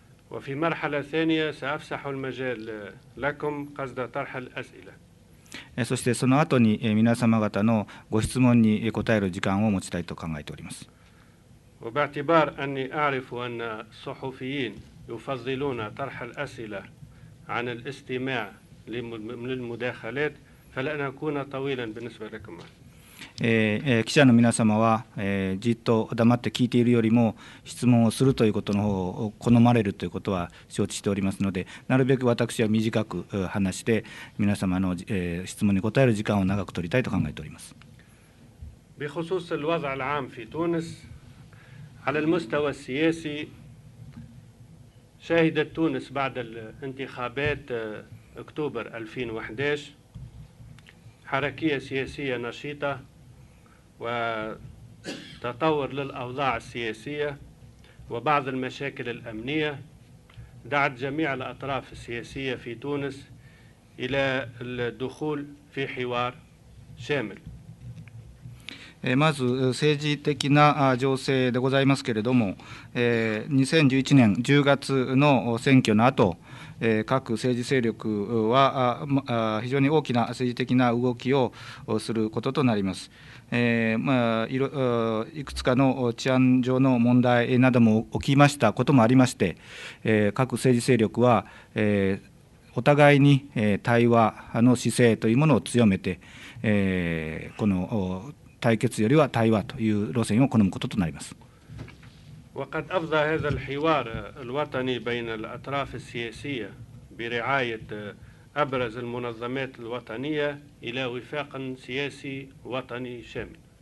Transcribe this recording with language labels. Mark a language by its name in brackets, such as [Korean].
[Arabic] وفي مرحلة ثانية سأفسح المجال لكم قصد طرح الأسئلة. [Japanese] そしてその後に皆様方のご質問に答える時間を持ちたいと考えております。 [Arabic] وباعتبار أني أعرف أن الصحفيين يفضلون طرح الأسئلة عن الاستماع للمداخلات فلن أكون طويلا بالنسبة لكم. [Japanese] 記者の皆様はじっと黙って聞いているよりも質問をするということの方を好まれるということは承知しておりますので、なるべく私は短く話して皆様の質問に答える時間を長く取りたいと考えております。 [Arabic] بخصوص الوضع العام في تونس. على المستوى السياسي شهدت تونس بعد الانتخابات اكتوبر 2011 حركية سياسية نشيطة وتطور للأوضاع السياسية وبعض المشاكل الأمنية دعت جميع الأطراف السياسية في تونس إلى الدخول في حوار شامل. [Japanese] まず政治的な情勢でございますけれども、2011年10月の選挙の後、各政治勢力は非常に大きな政治的な動きをすることとなります。いくつかの治安上の問題なども起きましたこともありまして、各政治勢力はお互いに対話の姿勢というものを強めて、この対決よりは対話という路線を好むこととなります。 [Arabic] وقد أفضى هذا الحوار الوطني بين الأطراف السياسية برعاية أبرز المنظمات الوطنية إلى وفاق سياسي وطني شامل。